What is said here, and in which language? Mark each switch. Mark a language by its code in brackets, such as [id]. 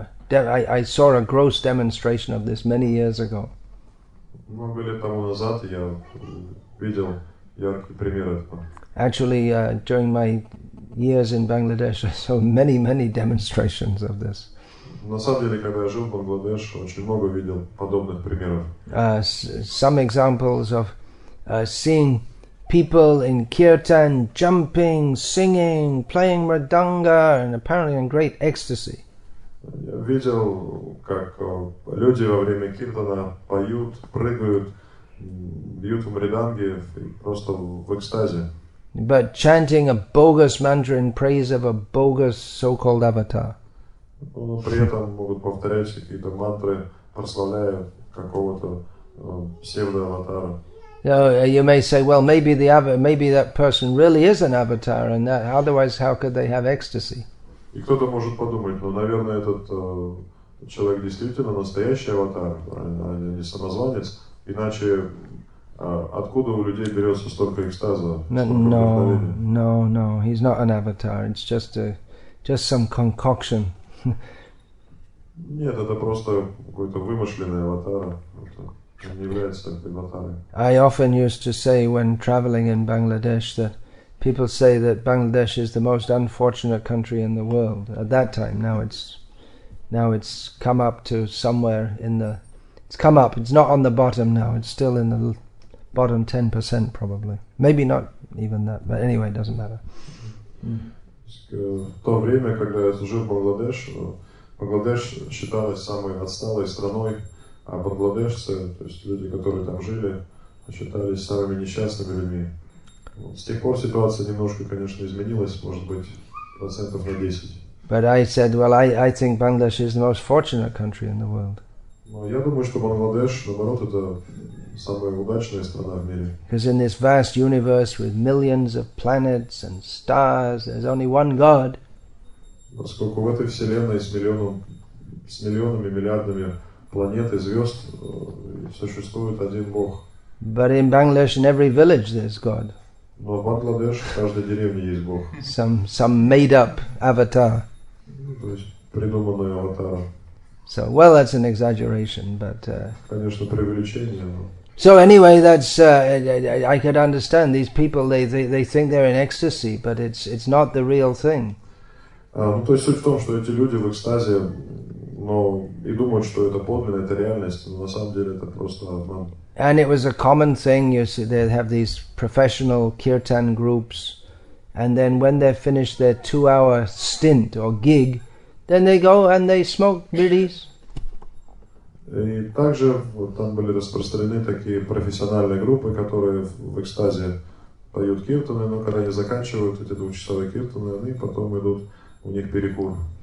[en] I saw a gross demonstration of this many years ago. [ru] Много лет тому назад я видел яркий пример этого. [en] Actually, during my years in Bangladesh, I saw many, many demonstrations of this. [ru] На самом деле, когда я жил в Бангладеш, очень много видел подобных примеров. [en] Some examples of seeing people in kirtan jumping, singing, playing mridanga, and apparently in great ecstasy. [ru] Я видел, как люди во время киртана поют, прыгают, бьют в мриданге просто в экстазе. [en] But chanting a bogus mantra in praise of a bogus so-called avatar. [ru] Но при этом могут повторять какие-то мантры, прославляя какого-то псевдо-аватара. [en] You may say, well, maybe that person really is an avatar, and that, otherwise, how could they have ecstasy? [ru] И кто-то может подумать, ну, наверное, этот человек действительно настоящий аватар, а не самозванец, иначе откуда у людей берется столько экстаза, столько вдохновения? [en] No, he's not an avatar, it's just some concoction. [ru] Нет, это просто какой-то вымышленный аватар, это не является аватаром. [en] I often used to say when traveling in Bangladesh that people say that Bangladesh is the most unfortunate country in the world. At that time, now it's come up to somewhere in the... It's come up, it's not on the bottom now, it's still in the bottom 10% probably. Maybe not even that, but anyway, it doesn't matter. [ru] В то время, когда я жил в Бангладеш, Бангладеш считалась самой отсталой страной, а бангладешцы, то есть люди, которые там жили, считались самыми несчастными людьми. С тех пор ситуация немножко, конечно, изменилась, может быть, процентов на 10. [en] But I said, well, I think Bangladesh is the most fortunate country in the world. [ru] Но я думаю, что Бангладеш, наоборот, это самая удачная страна в мире. [en] Because in this vast universe with millions of planets and stars, there's only one God. [ru] Поскольку в этой вселенной с миллионами, миллиардами планет и звезд существует один Бог. [en] But in Bangladesh, in every village, there's God. [ru] Но в Бангладеш в каждой деревне есть Бог. [en] Some made-up avatar. [ru] То есть придуманный аватар. [en] So, well, that's an exaggeration, but... [ru] Конечно, преувеличение, но... [en] So anyway, that's I could understand these people. They think they're in ecstasy, but it's not the real thing. [ru] То есть суть в том, что эти люди в экстазе, но и думают, что это подлинно, это реальность, но на самом деле это просто обман. [en] And it was a common thing, you see, they have these professional kirtan groups, and then when they finish their two-hour stint or gig, then they go and they smoke bidis. [ru] И также вот, там были распространены такие профессиональные группы, которые в экстазе поют киртаны, но когда они заканчивают эти двухчасовые киртаны, они потом идут, у них перекур.